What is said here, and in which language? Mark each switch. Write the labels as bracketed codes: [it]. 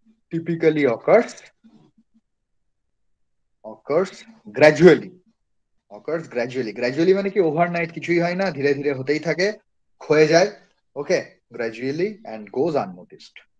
[en] Typically occurs gradually. [bn] Gradually মানে কি, overnight কিছুই হয় না, ধীরে ধীরে হতেই থাকে, ক্ষয়ে যায়। [en] Okay, gradually and goes unnoticed.